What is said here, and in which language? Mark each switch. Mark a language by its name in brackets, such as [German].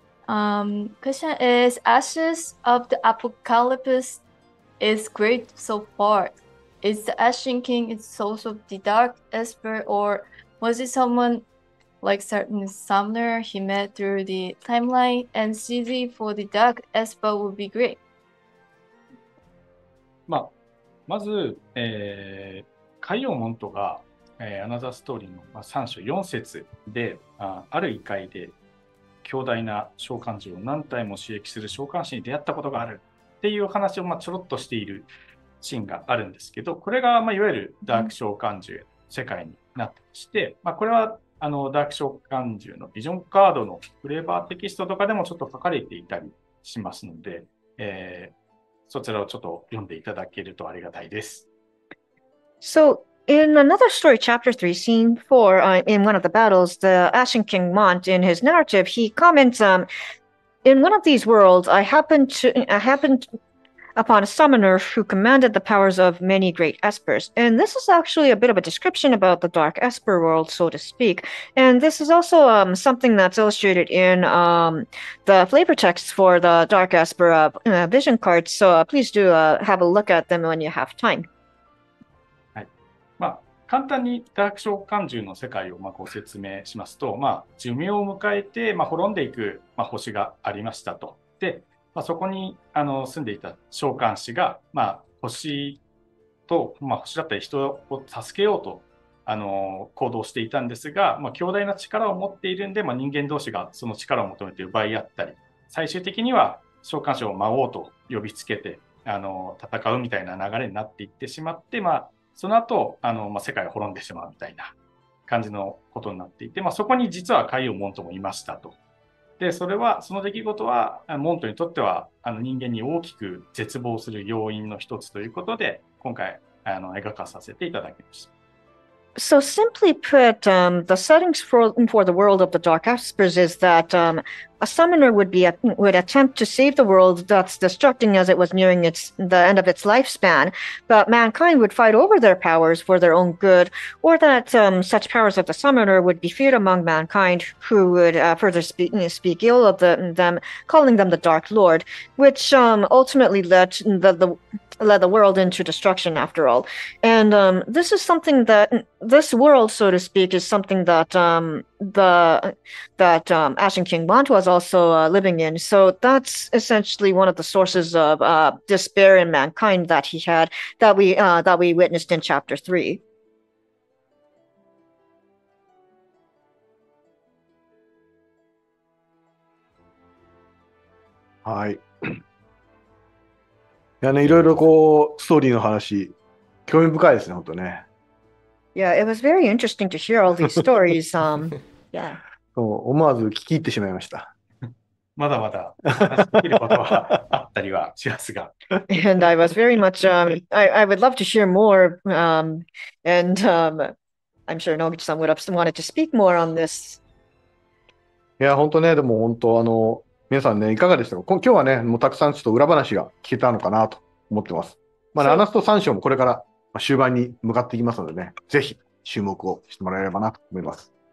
[English] Question is, Ashes of the Apocalypse is great so far. Is the Ashen King also the Dark Esper, or was it someone like certain summoner he met through the timeline? And CZ for the Dark Esper would be great. [Japanese] まず、カイオモントが、アナザーストーリーの、まあ、3章4節で、ある異界で強大な召喚獣を何体も刺激する召喚師に出会ったことがあるっていう話を、まあ、ちょろっとしているシーンがあるんですけど、これが、まあ、いわゆるダーク召喚獣の世界になってまして、まあ、これはあのダーク召喚獣のビジョンカードのフレーバーテキストとかでもちょっと書かれていたりしますので、そちらをちょっと読んでいただけるとありがたいです。 [English] So, in another story, chapter 3, scene 4, in one of the battles, the Ashen King Mont, in his narrative, he comments, in one of these worlds, I happened upon a summoner who commanded the powers of many great espers. And this is actually a bit of a description about the Dark Esper world, so to speak. And this is also something that's illustrated in the flavor text for the Dark Esper vision cards. So please do have a look at them when you have time. [Japanese] はい。まあ、簡単にダーク召喚獣の世界をまあご説明しますと、まあ、寿命を迎えて、まあ、滅んでいく、まあ、星がありましたと。で、まあ、そこにあの住んでいた召喚師が、まあ、星と、まあ、星だったり人を助けようと行動していたんですが、まあ、強大な力を持っているんで、まあ、人間同士がその力を求めて奪い合ったり、最終的には召喚師を魔王と呼びつけて戦うみたいな流れになっていってしまって、まあ、その後まあ、世界を滅んでしまうみたいな感じのことになっていて、まあ、そこに実はカイオモントもいましたと。で、それは、その出来事は、モントにとっては、人間に大きく絶望する要因の一つということで、今回、描かさせていただきました。 [English] So simply put, the settings for the world of the Dark Aspers is that a summoner would attempt to save the world that's destructing as it was nearing the end of its lifespan, but mankind would fight over their powers for their own good, or that such powers of the summoner would be feared among mankind, who would further speak ill of them, calling them the Dark Lord, which ultimately led the world into destruction after all. And this is something that, this world, so to speak, is something that Ashen King Mont was also living in. So that's essentially one of the sources of despair in mankind that he had, that we witnessed in chapter 3. [Japanese] Hi. いやね、いろいろこうストーリーの話興味深いですね、本当ね。 [English] Yeah, it was very interesting to hear all these stories. Yeah. [Japanese] 思わず聞き入ってしまいました。まだまだ話できることはあったりはしますが。 [English] And I was very much I would love to hear more. I'm sure Noguchi-san would have wanted to speak more on this. [Japanese] いや、本当ね、でも本当皆さんね、いかがでしたか？今日はね、もうたくさんちょっと裏話が聞けたのかなと思ってます。まあね、アナスト3章もこれから終盤に向かっていきますのでね、ぜひ注目をしてもらえればなと思います。